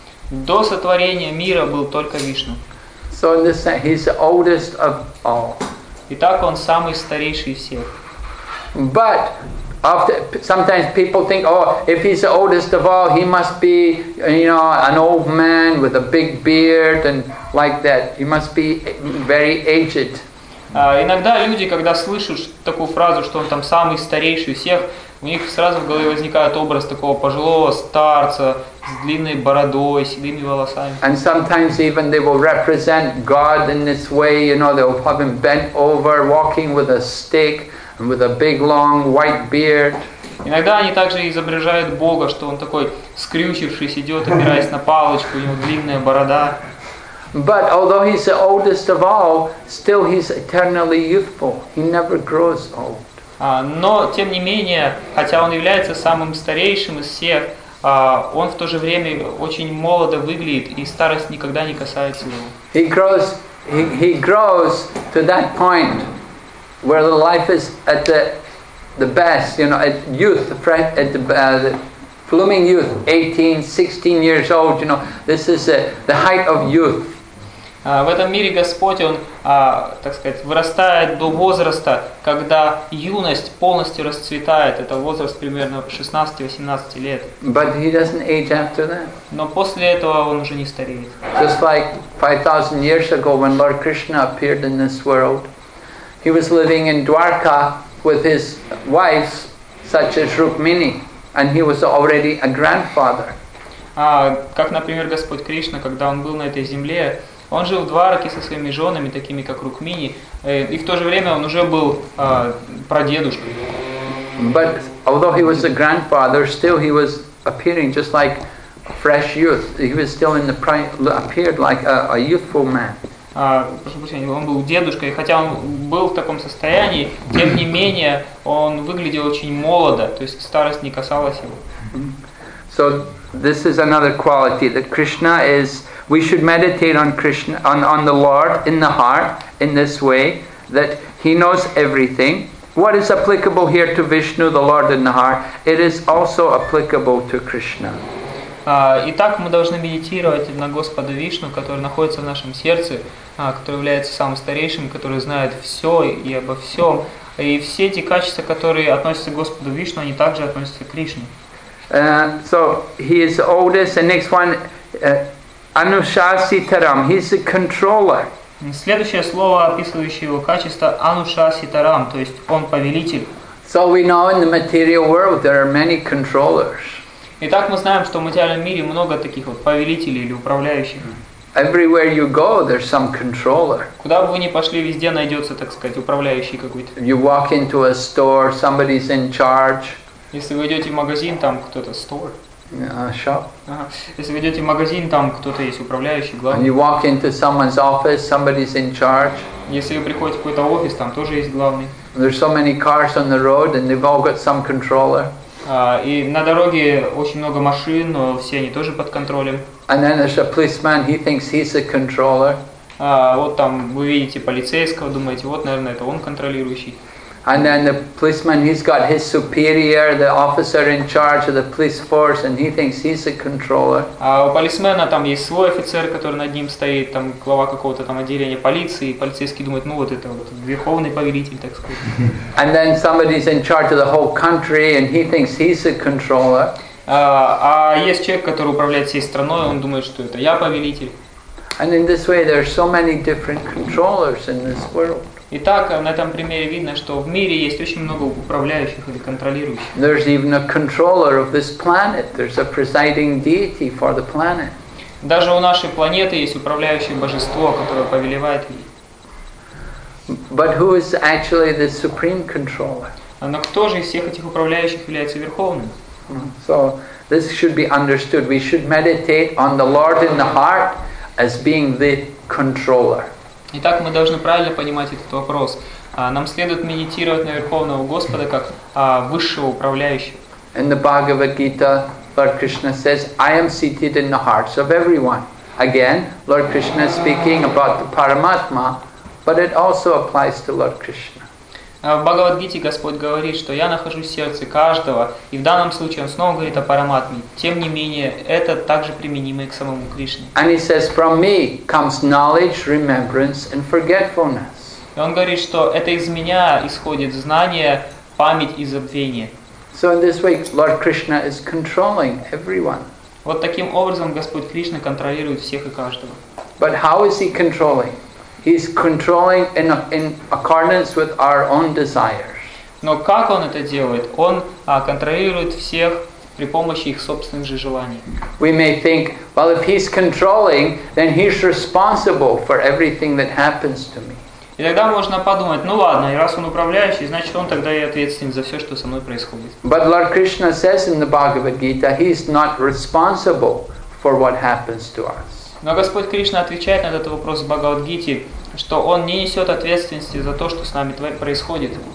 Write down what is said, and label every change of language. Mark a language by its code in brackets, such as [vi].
[ru] До сотворения мира был только Вишну. [en] So in this sense, he's the oldest of all. [ru] Итак, он самый старейший из всех. [en] But after sometimes people think, oh, if he's the oldest of all, he must be, you know, an old man with a big beard and like that. He must be very aged. [ru] Иногда люди, когда слышат такую фразу, что он там самый старейший из всех, у них сразу в голове возникает образ такого пожилого старца с длинной бородой, седыми волосами. [en] And sometimes even they will represent God in this way, you know, they will have him bent over, walking with a stick and with a big long white beard. [ru] Иногда они также изображают Бога, что он такой скрючившись идет, опираясь на палочку, у него длинная борода. [en] But although he's the oldest of all, still he's eternally youthful. He never grows old. [ru] Но, тем не менее, хотя он является самым старейшим из всех, он в то же время очень молодо выглядит, и старость никогда не касается его. [en] He grows to that point where the life is at the best, you know, at youth, at the blooming youth, 18, 16 years old, you know, this is the height of youth. [ru] В этом мире Господь, Он, так сказать, вырастает до возраста, когда юность полностью расцветает. Это возраст примерно 16-18 лет. [en] But he doesn't age after that. [ru] Но после этого Он уже не стареет. [en] Just like 5,000 years ago, when Lord Krishna appeared in this world, He was living in Dwarka with His wives, such as Rukmini, and He was already a grandfather. [ru] Как, например, Господь Кришна, когда Он был на этой земле, Он жил в Двараке со своими женами, такими как Рукмини, и в то же время он уже был прадедушкой. [en] But although he was a grandfather, still he was appearing just like a fresh youth. He was still in the appeared like a youthful man. [ru] Прошу прощения, он был дедушкой, хотя он был в таком состоянии, тем не менее он выглядел очень молодо, то есть старость не касалась его. [en] So this is another quality that Krishna is. We should meditate on Krishna, on the Lord in the heart, in this way, that He knows everything. What is applicable here to Vishnu, the Lord in the heart, it is also applicable to Krishna. [ru] Итак, мы должны медитировать на Господа Вишну, который находится в нашем сердце, который является самым старейшим, который знает все и обо всем. И все эти качества, которые относятся к Господу Вишну, они также относятся к Кришне. [en] So, He is the oldest, and next one, Anushasitaram. He's the controller. [ru] Следующее слово, описывающее его качество, Anushasitaram, то есть он повелитель. [en] So we know in the material world there are many controllers. [ru] Итак, мы знаем, что в материальном мире много таких вот повелителей или управляющих. [en] Everywhere you go, there's some controller. [ru] Куда бы вы ни пошли, везде найдется, так сказать, управляющий какой-то. [en] You walk into a store, somebody's in charge. [ru] Если вы идете в магазин, там кто-то store. [en] Shop. [ru] Если вы идете в магазин, там кто-то есть управляющий, главный. [en] And you walk into someone's office, somebody's in charge. [ru] Если вы приходите в какой-то офис, там тоже есть главный. [en] There's so many cars on the road, and they've all got some controller. [ru] И на дороге очень много машин, но все они тоже под контролем. [en] And then there's a policeman, he thinks he's a controller. [ru] Вот там вы видите полицейского, думаете, вот, наверное, это он контролирующий. [en] And then the policeman, he's got his superior, the officer in charge of the police force, and he thinks he's a controller. [ru] А у полисмена там есть свой офицер, который над ним стоит, там глава какого-то там отделения полиции, и полицейский думает, ну вот это вот верховный повелитель, так сказать. [en] And then somebody's in charge of the whole country, and he thinks he's a controller. [ru] А есть человек, который управляет всей страной, он думает, что это я повелитель. [en] And in this way, there are so many different controllers in this world. [ru] Итак, на этом примере видно, что в мире есть очень много управляющих или контролирующих. [en] There's even a controller of this planet. There's a presiding deity for the planet. [ru] Даже у нашей планеты есть управляющее божество, которое повелевает ей. [en] But who is actually the supreme controller? [ru] Но кто же из всех этих управляющих является верховным? [en] So this should be understood. We should meditate on the Lord in the heart as being the controller. [ru] Итак, мы должны правильно понимать этот вопрос. Нам следует медитировать на Верховного Господа как высшего управляющего. [en] In the Bhagavad Gita, Lord Krishna says, I am seated in the hearts of everyone. Again, Lord Krishna speaking about the Paramatma, but it also applies to Lord Krishna. [ru] В Бхагавад-гите Господь говорит, что я нахожусь в сердце каждого, и в данном случае он снова говорит о Параматме. Тем не менее, это также применимо и к самому Кришне. [en] And he says, from me comes knowledge, remembrance, and forgetfulness. [ru] И он говорит, что это из меня исходит знание, память и забвение. [en] So in this way, Lord Krishna is controlling everyone. [ru] Вот таким образом Господь Кришна контролирует всех и каждого. [en] But how is he controlling? He's controlling in accordance with our own desires. [ru] Но как он это делает? Он контролирует всех при помощи их собственных же желаний. [en] We may think, well, if he's controlling, then he's responsible for everything that happens to me. [ru] И тогда можно подумать, ну ладно, и раз он управляющий, значит он тогда и ответственен за все, что со мной происходит. [en] But Lord Krishna says in the Bhagavad Gita, he's not responsible for what happens to us. [ru] Но Господь Кришна отвечает на этот вопрос в Бхагавад-гите, что Он не несет ответственности за то, что с нами происходит.